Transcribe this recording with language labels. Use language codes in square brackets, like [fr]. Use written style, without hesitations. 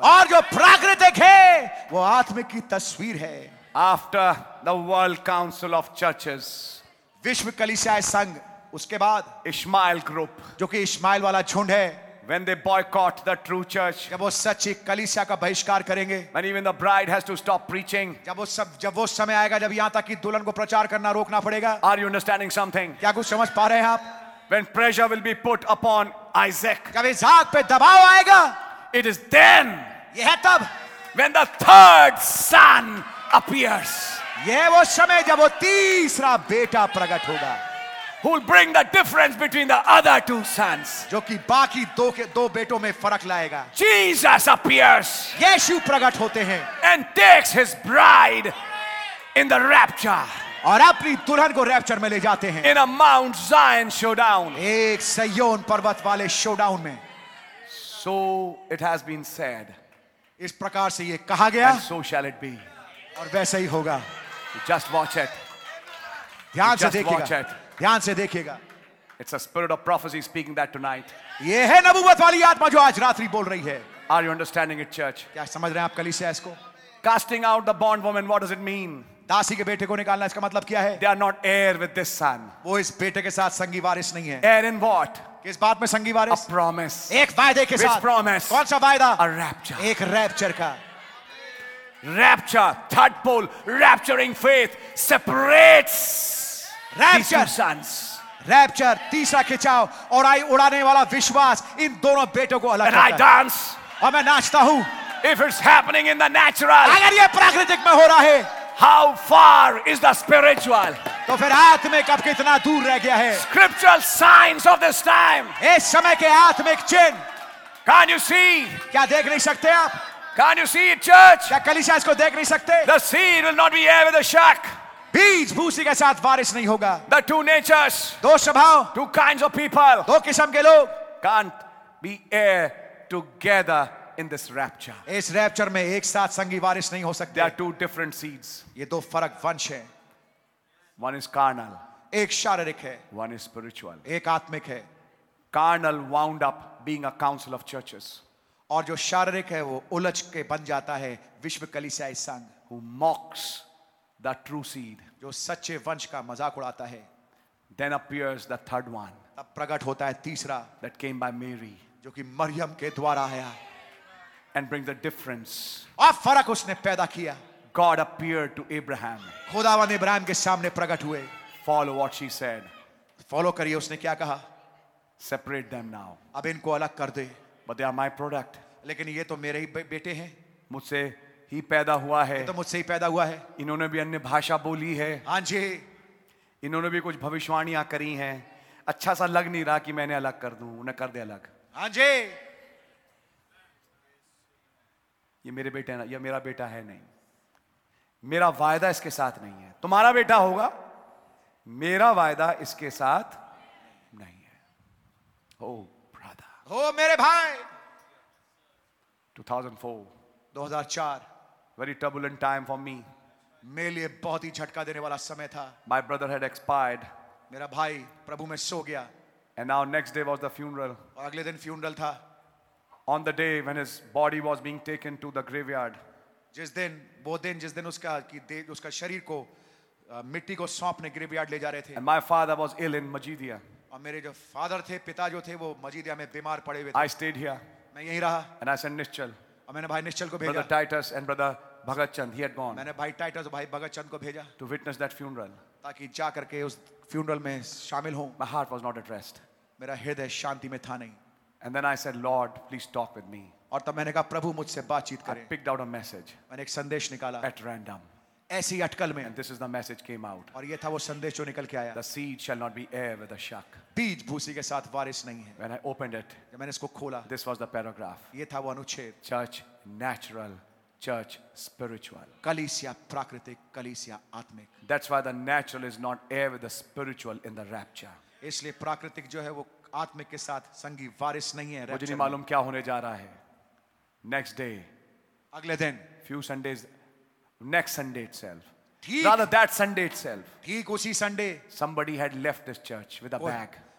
[hi] और जो प्राकृतिक है, वो आत्मिक की तस्वीर है. [en] After the World Council of Churches, [hi] विश्व कलीसिया संघ, उसके बाद [en] Ishmael Group, [hi] जो कि इश्माइल वाला झुंड है. [en] When they boycott the true church, [hi] जब वो सच्ची कलीसिया का बहिष्कार करेंगे, [en] and even the bride has to stop preaching, [hi] जब वो समय आएगा जब यहाँ तक कि दुल्हन को प्रचार करना रोकना पड़ेगा, [en] are you understanding something? [hi] क्या कुछ समझ पा रहे हैं आप? [en] When pressure will be put upon Isaac, [hi] जब इज़ाक पे दबाव आएगा, [en] it is then, [hi] ये है तब, [en] when the third son appears, [hi] ये वो समय जब वो तीसरा बेटा प्रकट होगा. [en] Who'll bring the difference between the other two sons? [hi] जो कि बाकी दो के दो बेटों में फर्क लाएगा. [en] Jesus appears. [hi] यीशु प्रकट होते हैं. [en] And takes his bride in the rapture. [hi] और अपनी दुल्हन को रैप्चर में ले जाते हैं. [en] In a Mount Zion showdown. [hi] एक सयोन पर्वत वाले शोडाउन में. [en] So it has been said. [hi] इस प्रकार से ये कहा गया. [en] And so shall it be. [hi] और वैसे ही होगा. [en] Just watch it. [hi] ध्यान से देखिएगा. ध्यान से देखिएगा. [en] It's a spirit of prophecy speaking that tonight. [hi] ये है नबुवत वाली आत्मा जो आज रात्रि बोल रही है. [en] Are you understanding it, church? [hi] क्या समझ रहे हैं आप कलीसिया इसको? [en] Casting out the bond woman, what does it mean? [hi] दासी के बेटे को निकालना इसका मतलब क्या है? [en] They are not heir with this son. [hi] वो इस बेटे के साथ संगी वारिस नहीं है. [en] Heir in what? [hi] किस बात में संगी वारिस? [en] A promise. [hi] एक वायदे के साथ. [en] Which promise? [hi] कौन सा वायदा? [en] A rapture. [hi] एक रैप्चर का. [en] Rapture, third pole, rapturing faith separates rapture. These two sons. [hi] Rapture, तीसरा खिंचाव और आई उड़ाने वाला विश्वास इन दोनों बेटों को अलग. [en] And I dance. [hi] और मैं नाचता हूँ. [en] If it's happening in the natural. [hi] अगर ये प्राकृतिक में हो रहा है. [en] How far is the spiritual? [hi] तो फिर आत्मिक अब कितना दूर रह गया है? [en] Scriptural signs of this time. [hi] इस समय के आत्मिक चिन्ह. [en] Can you see? [hi] क्या देख नहीं सकते आप? [en] Can you see it, church? [hi] क्या कलीसिया इसको देख नहीं सकते? [en] The seed will not be heir with the shack. [hi] बीज भूसी के साथ वारिस नहीं होगा. [en] The two natures. [hi] दो स्वभाव. [en] Two kinds of people. [hi] दो किस्म के लोग. [en] Can't be heir together. In this rapture. [hi] इस रैप्चर में एक साथ संगी वारिस नहीं हो सकते. [en] They are two different seeds. [hi] ये दो फरक वंश हैं. [en] One is carnal. [hi] एक शारीरिक है. [en] One is spiritual. [hi] एक आत्मिक है. [en] Carnal wound up being a council of churches. [hi] और जो शारीरिक है वो उलझ के बन जाता है विश्व कलीसिया संघ. [en] Who mocks the true seed. [hi] जो सच्चे वंश का मजाक उड़ाता है. [en] Then appears the third one. [hi] तब प्रकट होता है तीसरा. [en] That came by Mary. [hi] जो कि मरियम के द्वारा आया. [en] And bring the difference. [hi] और फरक उसने पैदा किया. [en] God appeared to Abraham. [hi] खुदावन इब्राहिम के सामने प्रकट हुए. [en] Follow what she said. [hi] Follow करिए उसने क्या कहा. [en] Separate them now. [hi] अब इनको अलग कर दे. [en] But they are my product. [hi] लेकिन ये तो मेरे ही बेटे हैं. मुझसे ही पैदा हुआ है. तो मुझसे ही पैदा हुआ है. इन्होंने भी अन्य भाषा बोली है. हाँ जी. इन्होंने भी कुछ भविष्यवाणियां करी हैं. अच्छा सा लग नहीं रहा कि मैंने अलग कर दूं. उन्हें कर दे अलग. हाँ जी. ये मेरे बेटे ना या मेरा बेटा है नहीं. मेरा वायदा इसके साथ नहीं है. तुम्हारा बेटा होगा. मेरा वायदा इसके साथ नहीं है. [en] Oh brother. [hi] ओ मेरे भाई. [en] 2004 very turbulent time for me. [hi] मेरे लिए बहुत ही झटका देने वाला समय था. [en] My brother had expired. [hi] मेरा भाई प्रभु में सो गया. [en] And now next day was the funeral. [hi] और अगले दिन फ्यूनरल था. [en] On the day when his body was being taken to the graveyard, [hi] जिस दिन वो दिन जिस दिन उसका कि उसका शरीर को मिट्टी को सौंपने graveyard ले जा रहे थे. [en] And my father was ill in Majidia. [hi] और मेरे जो father थे पिता जो थे वो Majidia में बीमार पड़े हुए. [en] I stayed here. [hi] मैं यहीं रहा. [en] And I sent Nischal. [hi] और मैंने भाई Nischal को भेजा. [en] Brother Titus and brother Bhagat Chand, he had gone. [hi] मैंने भाई Titus और भाई Bhagat Chand को भेजा. [en] To witness that funeral. [hi] ताकि जा करके उस funeral में शामिल हूँ. [en] My heart was not at rest. [hi] मेरा हृदय शांति में था नहीं. [en] And then I said, Lord, please talk with me. [hi] और तब मैंने कहा प्रभु मुझसे बातचीत करें. [en] I picked out a message. [hi] मैंने एक संदेश निकाला. [en] At random. [hi] ऐसी अटकल में. [en] And this is the message came out. [hi] और ये था वो संदेश जो निकल के आया. [en] The seed shall not be heir with the shack. [hi] बीज भूसी के साथ वारिस नहीं है. [en] When I opened it. [hi] जब मैंने इसको खोला. [en] This was the paragraph. [hi] ये था वो अनुच्छेद. [en] Church natural, church spiritual. [hi] कलीसिया प्राकृतिक, कलीसिया आत्मिक. [en] That's why the natural is not heir with the spiritual in the rapture. [hi] इसलिए प्राकृतिक जो है वो आत्मिक के साथ संगी वारिस नहीं है. मुझे नहीं मालूम क्या होने जा रहा है. [en] next day, [hi] अगले दिन, [en] few Sundays, next Sunday itself, rather that Sunday itself, [hi] ठीक उसी Sunday, [en] Somebody had left this church with a bag.